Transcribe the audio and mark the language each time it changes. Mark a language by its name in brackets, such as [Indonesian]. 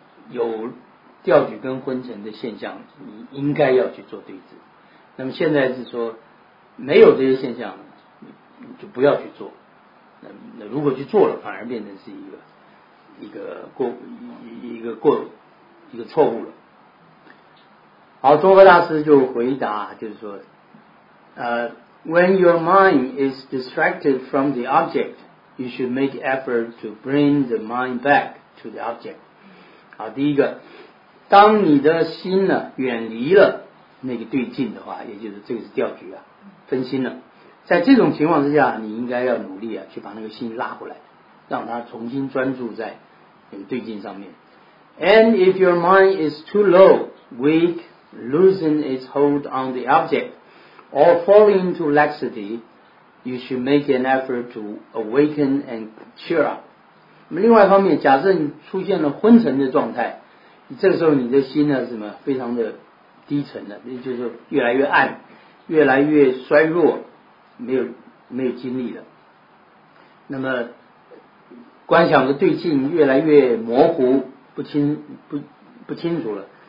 [Chinese] 有调举跟昏沉的现象，你应该要去做对峙。那么现在是说没有这些现象，你就不要去做。那如果去做了，反而变成是一个错误了。好，中国大师就回答，就是说 [English] When your mind is distracted from the object, you should make effort to bring the mind back to the object. [Chinese] 好，第一个，当你的心呢远离了那个对境的话，也就是这个是调局啊，分心了，在这种情况之下，你应该要努力啊去把那个心拉回来，让它重新专注在那个对境上面。 [English] And if your mind is too low, weak, losing its hold on the object, or falling into laxity, you should make an effort to awaken and cheer up. [Chinese] 另外一方面，假设你出现了昏沉的状态，这个时候你的心呢，什么非常的低沉的，就是越来越暗，越来越衰弱，没有精力了。那么观想的对境越来越模糊，不清楚了。